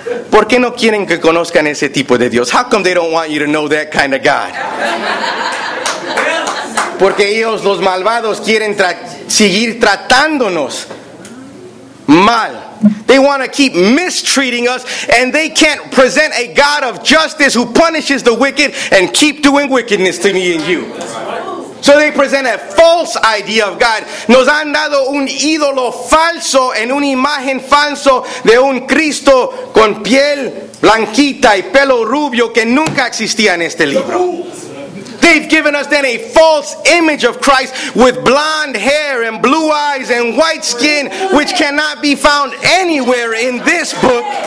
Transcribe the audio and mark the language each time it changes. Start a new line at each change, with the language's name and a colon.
Spanish: ¿Por qué no quieren que conozcan ese tipo de Dios?
English: How come they don't want you to know that kind of God?
Spanish: Porque ellos, los malvados, quieren seguir tratándonos mal.
English: They want to keep mistreating us, and they can't present a God of justice who punishes the wicked and keep doing wickedness to me and you. So they present a false idea of God.
Spanish: Nos han dado un ídolo falso en una imagen falso de un Cristo con piel blanquita y pelo rubio que nunca existía en este libro.
English: They've given us then a false image of Christ with blonde hair and blue eyes and white skin, which cannot be found anywhere in this book.